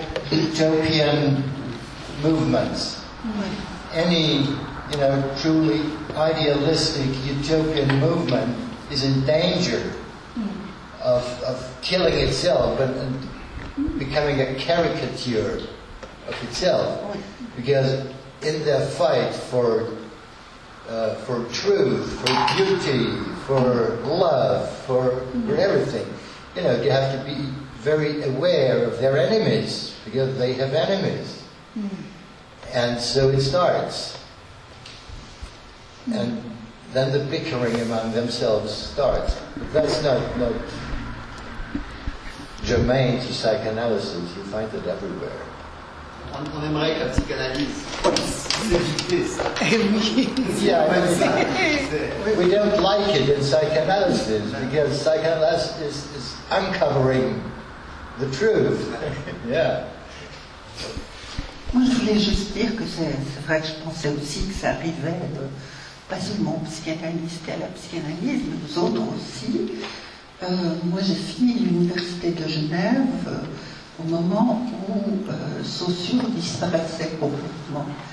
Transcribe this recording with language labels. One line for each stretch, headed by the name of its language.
French: Je ne sais pas si on a réglé.
English: Any, you know, truly idealistic utopian movement is in danger of killing itself and becoming a caricature of itself, because in their fight for truth, for beauty, for love, for everything, you know, they have to be very aware of their enemies, because they have enemies. And so it starts. And then the bickering among themselves starts. But that's not germane to psychoanalysis. You find it everywhere.
French: On aimerait que la psychanalyse s'éviter ça.
English: Yeah, we don't like it in psychoanalysis, because psychoanalysis is uncovering the truth. Yeah.
French: Moi, je voulais juste dire que c'est vrai que je pensais aussi que ça arrivait, pas seulement aux psychanalystes et à la psychanalyse, mais aux autres aussi. Moi, j'ai fini l'université de Genève au moment où Saussure disparaissait complètement.